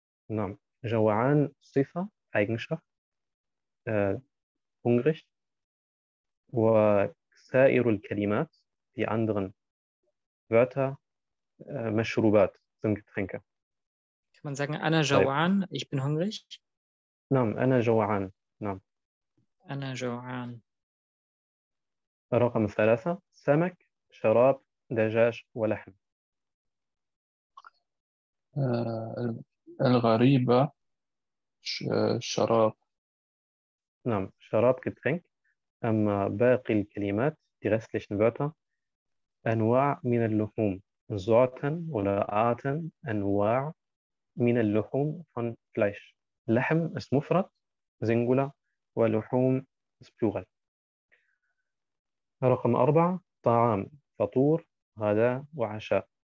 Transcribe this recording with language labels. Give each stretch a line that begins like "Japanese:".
Arabic: نعم جوعان صفة
German: eigenschaft hungrig
Arabic: وسائر الكلمات في
German: anderen Wörter
Arabic: مشروبات
German: sind Getränke. Kann man sagen أنا
Arabic: طيب
German: جوعان, ich bin hungrig.
Arabic: نعم أنا جوعان. نعم أنا جوعان. رقم ثلاثة سمك شراب دجاج ولحم. الغريبة شراب. نعم شراب getränk. أما باقي الكلمات
German: die restlichen Wörter
Arabic: أنواع من اللحوم
German: sorten oder arten
Arabic: أنواع من اللحوم
German: von Fleisch. لحم ist مفرد singular ولحوم ist plural.
Arabic: رقم أربعة طعام فطور غداء وعشاء.